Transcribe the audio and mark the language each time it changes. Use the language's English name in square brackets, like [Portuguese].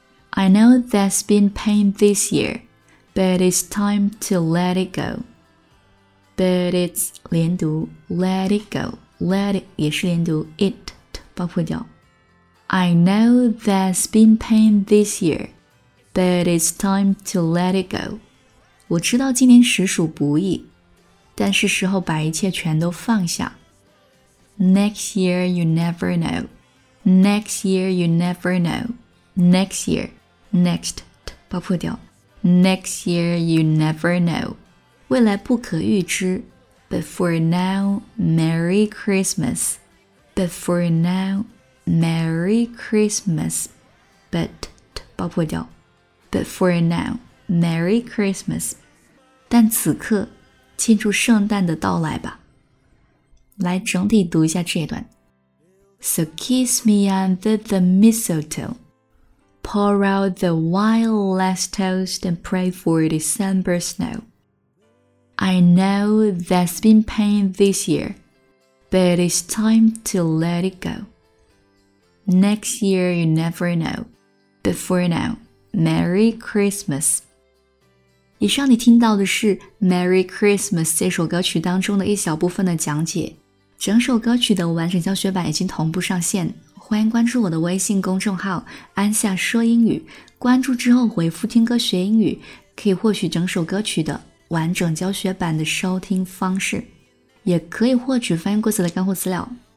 [English] I know that's been paid this year, but it's time to let it go. But it's [Chinese] 连读 [English] let it go, let it [Chinese] 也是连读 [English] it. [Chinese] 爆破掉。 [English] I know that's been pain this year, but it's time to let it go. [Chinese] 我知道今年实属不易，但是时候把一切全都放下。 [English] Next year you never know. Next year you never know. Next year, next, [Chinese] 爆破掉。 [English] Next year you never know. [Chinese] 未来不可预知。 [English] But for now, Merry Christmas. But for now, Merry Christmas. But, [Chinese] 爆破掉。 [English] But for now, Merry Christmas. [Chinese] 但此刻庆祝圣诞的到来吧。来整体读一下这一段。 [English] So kiss me under the mistletoe. Pour out the wild last toast and pray for December snow. I know there's been pain this year, but it's time to let it go. Next year you never know. Before now, Merry Christmas. [Chinese] 以上你听到的是 Merry Christmas 这首歌曲当中的一小部分的讲解。整首歌曲的完整教学版已经同步上线，欢迎关注我的微信公众号安夏说英语，关注之后回复听歌学英语，可以获取整首歌曲的完整教学版的收听方式，也可以获取翻译过程的干货资料。